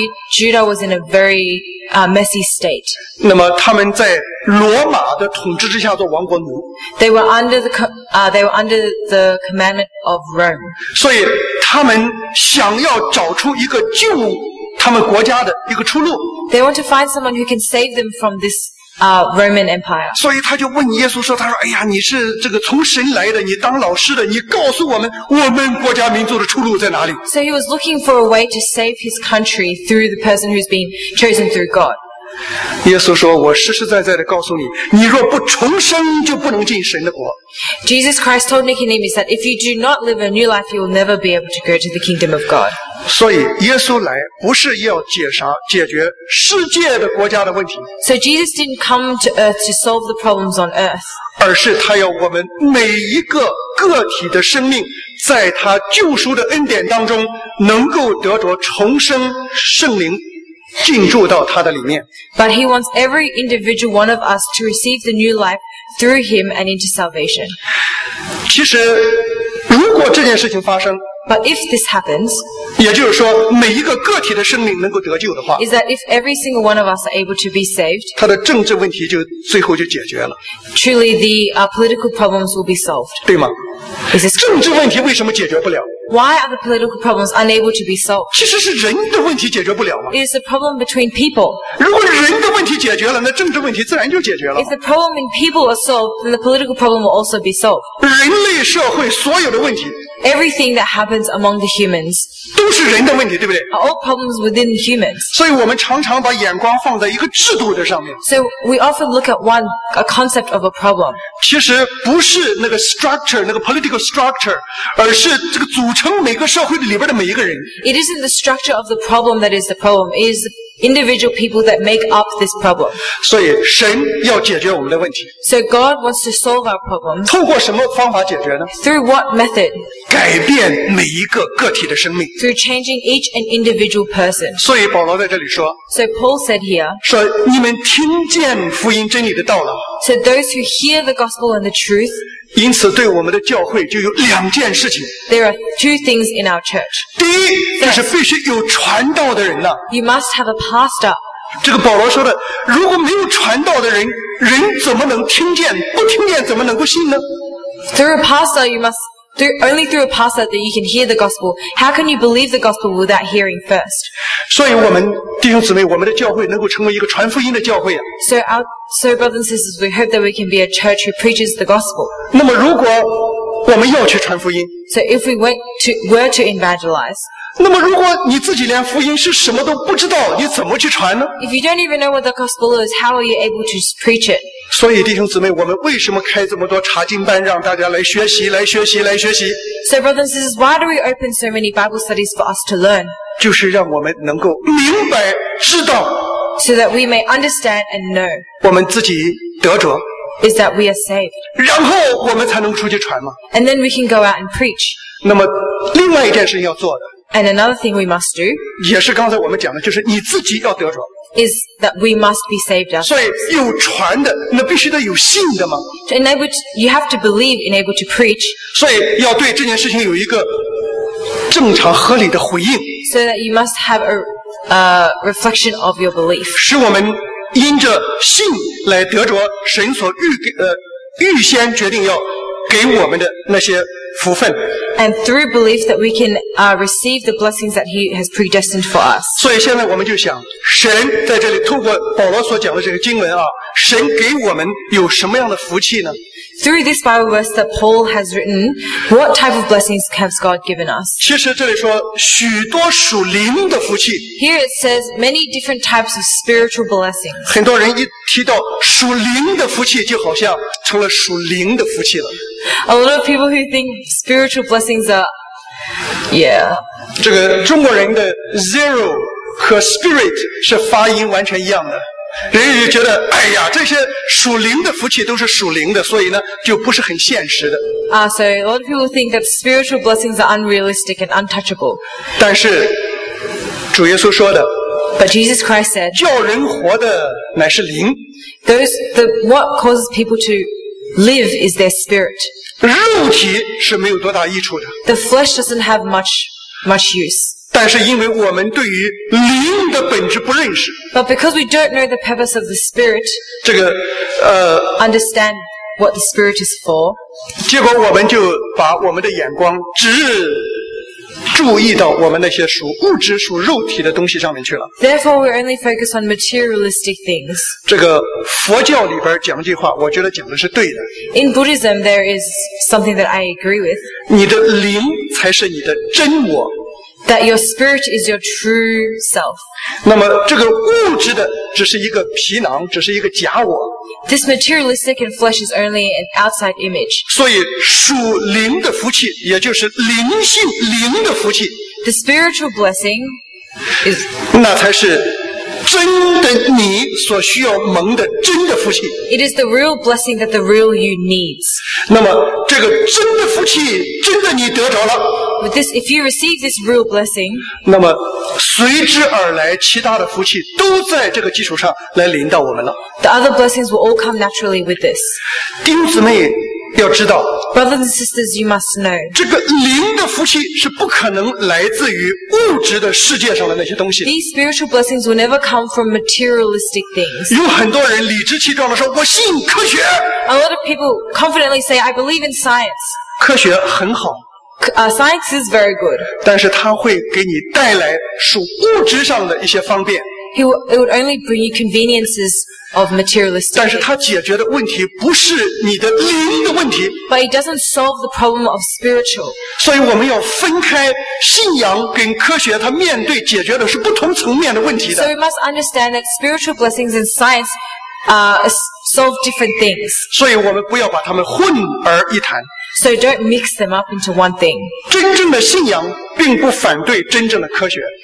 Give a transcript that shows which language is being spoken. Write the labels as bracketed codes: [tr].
[en] Judah was in a very messy state. [zh] 那么他们在罗马的统治之下做亡国奴。 [en] They were under the commandment of Rome. [zh] 所以他们想要找出一个救他们国家的一个出路。 [en] They want to find someone who can save them from this Roman Empire. [zh] 所以他就问耶稣说：“他说，哎呀，你是这个从神来的，你当老师的，你告诉我们，我们国家民族的出路在哪里？” [en] So he was looking for a way to save his country through the person who's been chosen through God. [zh] 耶稣说：“我实实在在的告诉你，你若不重生，就不能进神的国。” [en] Jesus Christ told Nicodemus that if you do not live a new life, you will never be able to go to the kingdom of God. [zh] 所以耶稣来不是要解决世界的国家的问题。 [en] So Jesus didn't come to earth to solve the problems on earth. [zh] 而是他要我们每一个个体的生命，在他救赎的恩典当中，能够得着重生圣灵。进入到他的里面。 [en] But he wants every individual one of us to receive the new life through him and into salvation. [zh] 其实，如果这件事情发生， [en] But if this happens, [zh] 也就是说，每一个个体的生命能够得救的话， [en] is that if every single one of us are able to be saved, [zh] 他的政治问题就最后就解决了。 [en] Truly, the political problems will be solved. [zh] 对吗？ [en] Is this [zh] 政治问题为什么解决不了？ [en] Why are the political problems unable to be solved? [zh] 其实是人的问题解决不了吗？ [en] It is a problem between people. [zh] 如果人的问题解决了，那政治问题自然就解决了。 [en] If the problem in people are solved, then the political problem will also be solved. [zh] 人类社会所有的问题， [en] Everything that happens among the humans, [zh] 都是人的问题，对不对？ [en] Are all problems within the humans. [zh] 所以我们常常把眼光放在一个制度的上面。 [en] So we often look at one, a concept of a problem. [zh] 其实不是那个 structure, 那个 [en] political structure, [zh] 而是这个组织成每个社会里边的每一个人。 [en] It isn't the structure of the problem that is the problem. It is individual people that make up this problem. [zh] 所以神要解决我们的问题。 [en] So God wants to solve our problems. [zh] 透过什么方法解决呢？ [en] Through what method? [zh] 改变每一个个体的生命。 [en] Through changing each and individual person. [zh] 所以保罗在这里说。 [en] So Paul said here. [zh] 说你们听见福音真理的道了。 [en] So those who hear the gospel and the truth. [zh] 因此对我们的教会就有两件事情。 [en] There are two things in our church. [zh] 第一，就是必须有传道的人了。 [en] You must have a pastor. [zh] 这个保罗说的，如果没有传道的人，人怎么能听见？不听见怎么能够信呢？ [en] Through a pastor, you must, only through a pastor that you can hear the gospel. How can you believe the gospel without hearing first? [zh] 所以我们弟兄姊妹，我们的教会能够成为一个传福音的教会啊。 [en] So brothers and sisters, we hope that we can be a church who preaches the gospel. [zh] 那么如果我们要去传福音， [en] So if we were to evangelize, [zh] 那么如果你自己连福音是什么都不知道，你怎么去传呢？ [en] If you don't even know what the gospel is, how are you able to preach it? [zh] 所以弟兄姊妹，我们为什么开这么多查经班，让大家来学习，来学习，来学习？ [en] So brothers and sisters, why do we open so many Bible studies for us to learn? [zh] 就是让我们能够明白知道。 [en] So that we may understand and know. [zh] 我们自己得着。 [en] Is that we are saved. [zh] 然后我们才能出去传嘛。 [en] And then we can go out and preach. [zh] 那么另外一件事要做的。 [en] And another thing we must do. [zh] 也是刚才我们讲的，就是你自己要得着。 [en] Is that we must be saved ourselves. [zh] 所以有传的，那必须得有信的嘛。 [en] You have to believe in able to preach. [zh] 所以要对这件事情有一个正常合理的回应。 [en] So that you must have a reflection of your belief. [zh] 使我们因着信来得着神所预先决定要给我们的那些福分。 [en] And through belief that we can receive the blessings that he has predestined for us. [zh] 所以现在我们就想，神在这里透过保罗所讲的这个经文啊，神给我们有什么样的福气呢？ [en] Through this Bible verse that Paul has written, what type of blessings has God given us? [zh] 其实这里说许多属灵的福气。 [en] Here it says many different types of spiritual blessings. [zh] 很多人一提到属灵的福气，就好像成了属灵的福气了。 [en] A lot of people who think spiritual blessings are, yeah. [zh] 这个中国人的 zero 和 spirit 是发音完全一样的。人家就觉得，哎呀，这些属灵的福气都是属灵的，所以呢，就不是很现实的。 [en] So a lot of people think that spiritual blessings are unrealistic and untouchable. [zh] 但是主耶稣说的。 [en] But Jesus Christ said. [zh] 叫人活的乃是灵。 [en] What causes people to live is their spirit. [zh] 肉体是没有多大益处的。 [en] The flesh doesn't have much use. [zh] 但是因为我们对于灵的本质不认识 [en] But because we don't know the purpose of the spirit [zh] 这个 [en] understand what the spirit is for [zh] 结果我们就把我们的眼光只注意到我们那些属物质属肉体的东西上面去了 [en] Therefore we only focus on materialistic things [zh] 这个佛教里边讲一句话我觉得讲的是对的 [en] In Buddhism there is something that I agree with [zh] 你的灵才是你的真我 [en] That your spirit is your true self. [zh] 那么这个物质的只是一个皮囊，只是一个假我。 [en] This materialistic and flesh is only an outside image. [zh] 所以属灵的福气，也就是灵性灵的福气。 [en] The spiritual blessing is. [zh] 那才是真的你所需要蒙的真的福气。 [en] It is the real blessing that the real you needs. [zh] 那么这个真的福气，真的你得着了。 [en] With this, if you receive this real blessing, [zh] 那么随之而来其他的福气都在这个基础上来临到我们了。 [en] The other blessings will all come naturally with this. [zh] 弟兄姊妹要知道 [en] Brothers and sisters, you must know. [zh] 这个灵的福气是不可能来自于物质的世界上的那些东西。 [en] These spiritual blessings will never come from materialistic things. [zh] 有很多人理直气壮地说我信科学。 [en] A lot of people confidently say, I believe in science. [zh] 科学很好。 [en] Science is very good. [zh] 但是它会给你带来属物质上的一些方便。 [en] It would only bring you conveniences of materialistic things. [zh] 但是它解决的问题不是你的灵的问题。 [en] But it doesn't solve the problem of spiritual. [zh] 所以我们要分开信仰跟科学，它面对解决的是不同层面的问题的。 [en] So we must understand that spiritual blessings and science solve different things. [zh] 所以我们不要把它们混而一谈。 [en] So don't mix them up into one thing. [zh] 真正的信仰并不反对真正的科学。